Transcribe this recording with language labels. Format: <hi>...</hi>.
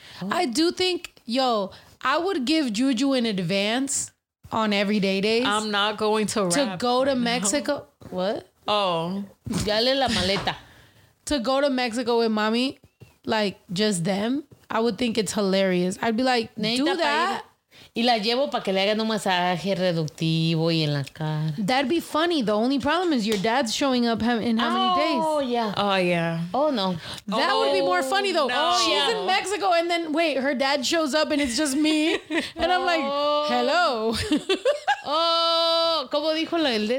<en>I do think, yo, I would give Juju an advance on everyday days. I'm not going to rap. To go to Mexico. What? Oh.</en> <es>Dale la maleta.</es> <en>To go to Mexico with mommy, like just them, I would think it's hilarious. I'd be like, do that.</en> <es>Y la llevo para que le hagan un masaje reductivo y en la cara.</es> <en>That'd be funny. The only problem is your dad's showing up in how many days? Oh, yeah. Oh, yeah. Oh, no. That would be more funny, though. No. She's in Mexico, and then, wait, her dad shows up, and it's just me. And I'm like, hello.</en> <es>Oh, ¿cómo dijo la el de?</es>